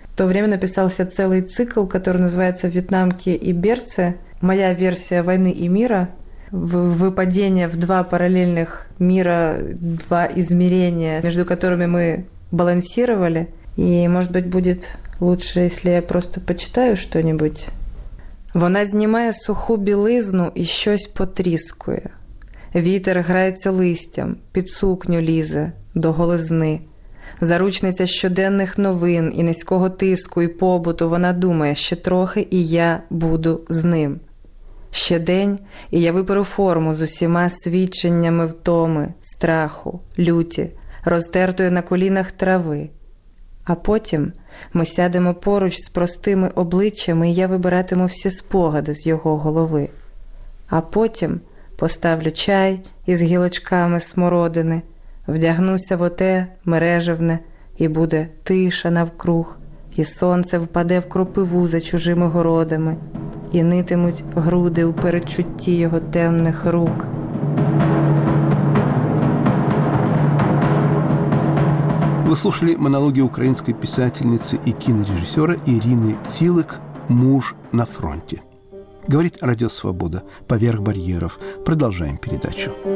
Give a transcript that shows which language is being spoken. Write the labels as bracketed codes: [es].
[ru] В то время написался целый цикл, который называется «Вьетнамки и берцы. Моя версия войны и мира». Выпадение в два параллельных мира, два измерения, между которыми мы балансировали. И, может быть, будет лучше, если я просто почитаю что-нибудь. [uk] «Вона знімає суху білизну і щось потріскує. Вітер грається листям, під сукню лізе до голизни. Заручниця щоденних новин і низького тиску і побуту, вона думає, ще трохи і я буду з ним. Ще день, і я виперу форму з усіма свідченнями втоми, страху, люті, розтертої на колінах трави. А потім ми сядемо поруч з простими обличчями, і я вибиратиму всі спогади з його голови. А потім поставлю чай із гілочками смородини, вдягнуся в оте мережевне, і буде тиша навкруг, і сонце впаде в кропиву за чужими городами, і нитимуть груди у передчутті його темних рук». [ru] Вы слушали монологи украинской писательницы и кинорежиссера Ирины Цилик «Муж на фронте». Говорит Радио Свобода. Поверх барьеров. Продолжаем передачу.